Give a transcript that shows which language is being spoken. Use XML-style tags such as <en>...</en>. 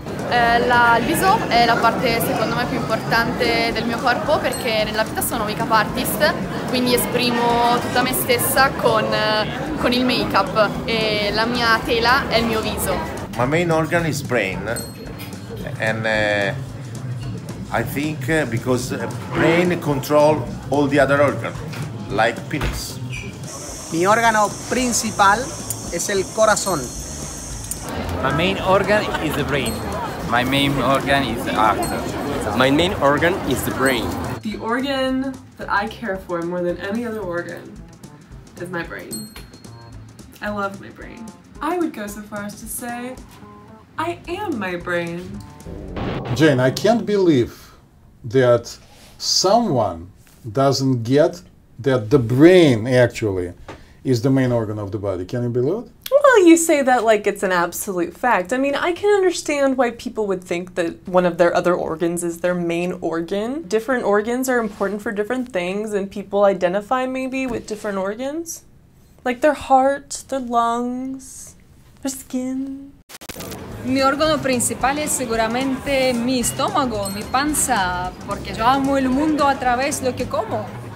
<it>Il viso è la parte secondo me più importante del mio corpo perché nella vita sono makeup artist, quindi esprimo tutta me stessa con il makeup e la mia tela è il mio viso.</it> <en>My main organ is brain and I think because brain control all the other organs like penis.</en> <es>Mi organo principal es el corazón.</es> <en>My main organ is the brain. My main organ is the heart. My main organ is the brain. The organ that I care for more than any other organ is my brain. I love my brain. I would go so far as to say, I am my brain. Jane, I can't believe that someone doesn't get that the brain actually is the main organ of the body. Can you believe it? Well, you say that like it's an absolute fact. I mean, I can understand why people would think that one of their other organs is their main organ. Different organs are important for different things, and people identify maybe with different organs. Like their heart, their lungs, their skin.</en> <it>Mi organo principale è sicuramente mi stomaco, mi panza, perché io amo il mondo attraverso lo che como.</it>